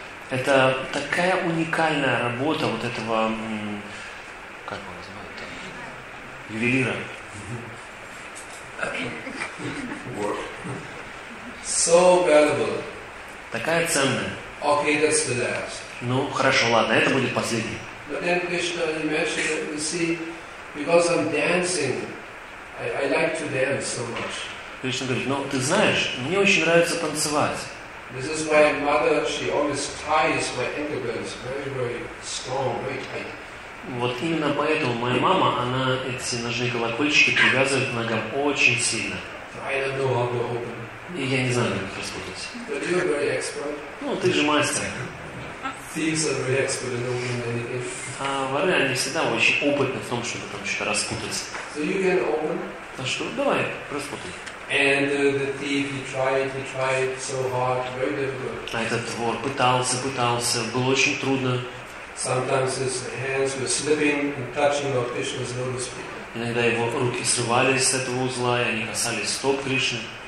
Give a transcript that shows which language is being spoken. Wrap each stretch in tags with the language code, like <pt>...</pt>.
<ru>Это такая уникальная работа вот этого, как его называют, там, ювелира.</ru> <en>Work. So valuable.</en> <ru>Такая ценная.</ru> <en>Okay, that's the last.</en> <ru>Ну, хорошо, ладно, это будет последний.</ru> <en>But then Krishna, you mentioned that, you see, because I'm dancing, I like to dance so much.</en> <ru>Кришна говорит, ну, ты знаешь, мне очень нравится танцевать.</ru> <en>This is my mother, she always ties my ankle bands very, very strong, very tight.</en> <ru>Вот именно поэтому моя мама, она эти ножные колокольчики привязывает к ногам очень сильно.</ru> <en>I don't know how to open.</en> <ru>И я не знаю, как их распутать.</ru> <en>But you're very expert.</en> <ru>Ну, ты же мастер.</ru> <en>Thieves are very expert in opening anything.</en> <ru>А воры, они всегда очень опытны в том, чтобы там что-то распутать.</ru> <en>So you can open.</en> <ru>Так что, давай, распутай.</ru> <en>And the thief, he tried so hard, very difficult.</en> <ru>А этот вор пытался, было очень трудно.</ru> <en>Sometimes his hands were slipping and touching of Krishna's lotus feet.</en> <ru>Иногда его руки срывались с этого узла, и они касались стоп Кришны.</ru>